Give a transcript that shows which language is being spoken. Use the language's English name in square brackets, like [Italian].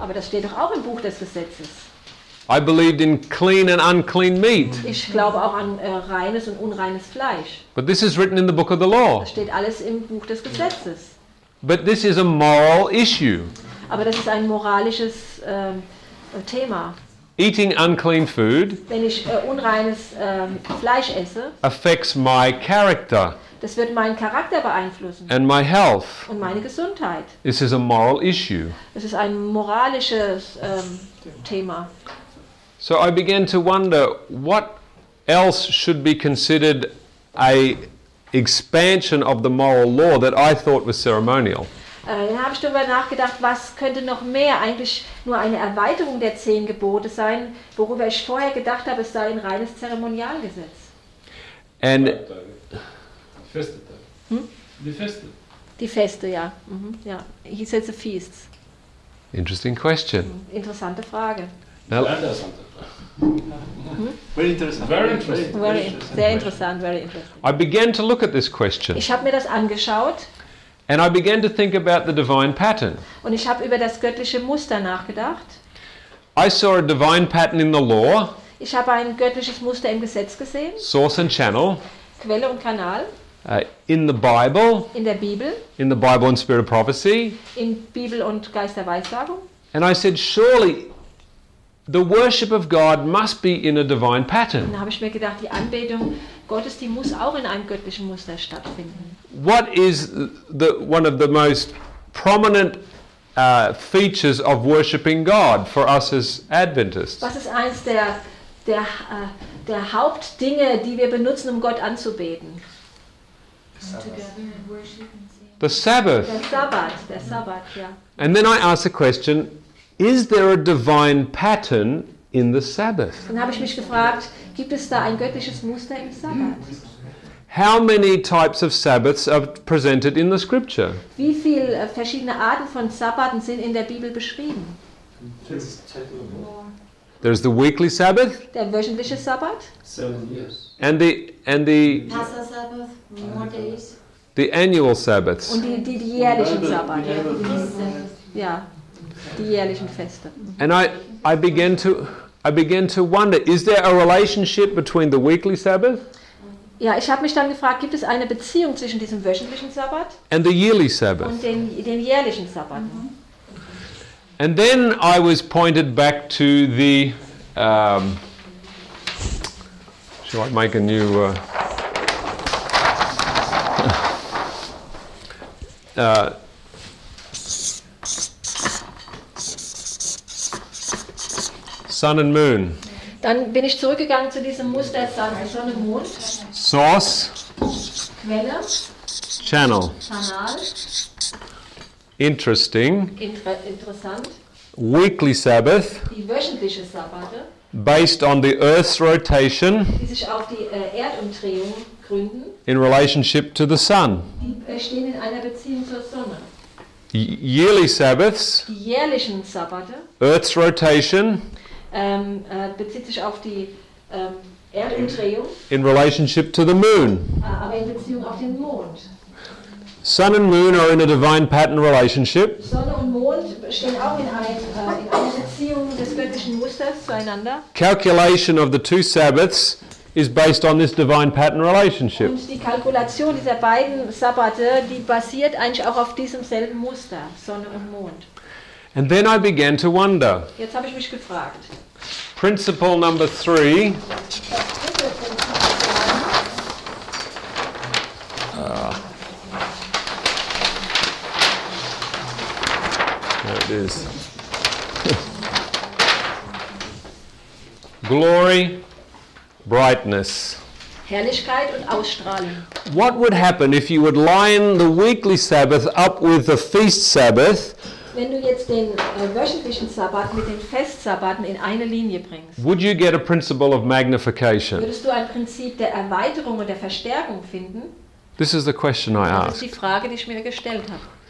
[German] Aber das steht doch auch im Buch des Gesetzes. [English] I believed in clean and unclean meat. [German] Ich glaube auch an reines und unreines Fleisch. [English] But this is written in the book of the law. [German] Das steht alles im Buch des Gesetzes. [English] But this is a moral issue. [German] Aber das ist ein moralisches Thema. [English] Eating unclean food, [German] wenn ich unreines Fleisch esse, [English] affects my character. [German] Das wird meinen Charakter beeinflussen. [English] And my health. [German] Und meine Gesundheit. [English] This is a moral issue. [German] Es ist ein moralisches Thema. [English] So I began to wonder what else should be considered a expansion of the moral law that I thought was ceremonial. [German] Dann habe ich darüber nachgedacht, was könnte noch mehr eigentlich nur eine Erweiterung der Zehn Gebote sein, worüber ich vorher gedacht habe, es sei ein reines Zeremonialgesetz. [English] And [German] die Feste. Die Feste, ja. Mhm, ja. [English] He said the feasts. Interesting question. [German] Interessante Frage. [English] Now, very interesting. Very interesting. Very interesting. [German] Sehr interessant. [English] Very interesting. I began to look at this question. [German] Ich habe mir das angeschaut. [English] And I began to think about the divine pattern. [German] Und ich habe über das göttliche Muster nachgedacht. [English] I saw a divine pattern in the law. [German] Ich habe ein göttliches Muster im Gesetz gesehen. [English] Source and channel. [German] Quelle und Kanal. [English] In the Bible. [German] In der Bibel. [English] In the Bible and Spirit of Prophecy. [German] In Bibel und Geist der Weissagung. [English] And I said, surely the worship of God must be in a divine pattern. [German] Dann habe ich mir gedacht, die Anbetung Gottes, die muss auch in einem göttlichen Muster stattfinden. [English] What is the one of the most prominent features of worshiping God for us as Adventists? [German] Was ist eins der Hauptdinge, die wir benutzen, um Gott anzubeten? [English] The Sabbath. [German] Der Sabbat, ja. [English] And then I ask the question, is there a divine pattern in the Sabbath? [German] Dann habe ich mich gefragt, gibt es da ein göttliches Muster im Sabbat? [English] How many types of Sabbaths are presented in the Scripture? [German] Wie viele verschiedene Arten von Sabbaten sind in der Bibel beschrieben? [English] There's the weekly Sabbath. [German] Der wöchentliche Sabbat. [English] 7 years. And the Passover Sabbath, more days. The annual Sabbaths. [German] Und die jährlichen Sabbat. Ja. Die jährlichen Feste. [English] And I began to wonder, is there a relationship between the weekly Sabbath? [German] Ja, ich habe mich dann gefragt, gibt es eine Beziehung zwischen diesem wöchentlichen Sabbat [English] and the yearly Sabbath? [German] Und den jährlichen Sabbat? Mm-hmm. [English] And then I was pointed back to the shall I make a new sun and moon. [German] Dann bin ich zurückgegangen zu diesem Muster Sonne Mond. [English] Source. [German] Quelle. [English] Channel. [German] Kanal. [English] Interesting. [German] Interessant. [English] Weekly Sabbath. [German] Die wöchentliche Sabbate. [English] Based on the Earth's rotation. [German] Die sich auf die Erdumdrehung gründen. [English] In relationship to the sun. [German] Die stehen in einer Beziehung zur Sonne. [English] Yearly Sabbaths. [German] Die jährlichen Sabbate. [English] Earth's rotation. [German] Bezieht sich auf die Erdumdrehung. [English] In relationship to the moon. [German] Aber in Beziehung auf den Mond. [English] Sun and moon are in a divine pattern relationship. [German] Sonne und Mond stehen auch in einer Beziehung des göttlichen Musters zueinander. [English] Calculation of the two Sabbaths is based on this divine pattern relationship. [German] Und die Kalkulation dieser beiden Sabbate, die basiert eigentlich auch auf diesem selben Muster, Sonne und Mond. [English] And then I began to wonder. [German] Jetzt habe ich mich gefragt. [English] Principle number 3. Is. Glory, brightness. [German] Herrlichkeit und Ausstrahlung. [English] What would happen if you would line the weekly Sabbath up with the feast Sabbath? [German] Wenn du jetzt den wöchentlichen Sabbat mit den Festsabbaten in eine Linie bringst. [English] Would you get a principle of magnification? [German] Würdest du ein Prinzip der Erweiterung und der Verstärkung finden? [English] This is the question I asked. [German] Das ist die Frage, die ich mir gestellt habe.